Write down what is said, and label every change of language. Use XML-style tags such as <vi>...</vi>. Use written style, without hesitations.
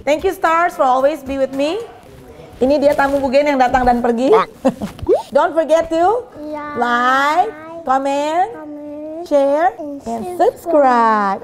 <en>Thank you stars for always be with me.</en> <id>Ini dia tamu Bugen yang datang dan pergi.</id> <en>Don't forget to like, comment, share, and subscribe.</en>